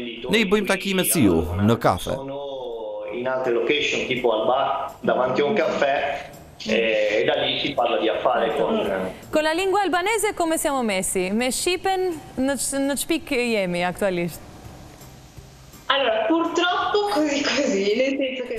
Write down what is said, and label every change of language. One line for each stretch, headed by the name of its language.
Albanian: Ne i bëjmë takimet si ju, në kafe.
Italian: In altre location, tipo al bar, davanti a un caffè, e da lì si parla di affari. Con la lingua albanese come siamo messi?
Albanian: Me Shqipen në çpik jemi aktualisht?
Italian: Allora, purtroppo così, nel senso che